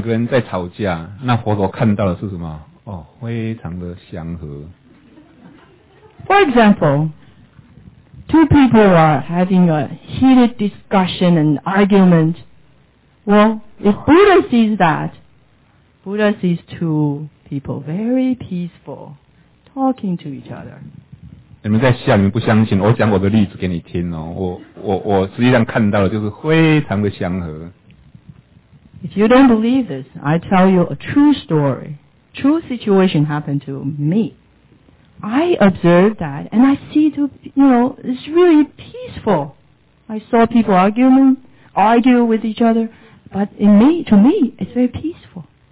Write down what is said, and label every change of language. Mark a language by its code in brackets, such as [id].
[zh] 譬如说，两个人在吵架，那佛陀看到的是什么？哦, 非常的祥和。 [en] For example, two people are having a heated discussion and argument. Well, if Buddha sees that, Buddha sees two people very peaceful, talking to each other. [zh] 你们在笑，你们不相信，我讲我的例子给你听哦。我实际上看到的就是非常的祥和。 [en] If you don't believe this, I tell you a true story. True situation happened to me. I observed that, and I see, to, you know, it's really peaceful. I saw people argue with each other. But in me, to me, it's very peaceful.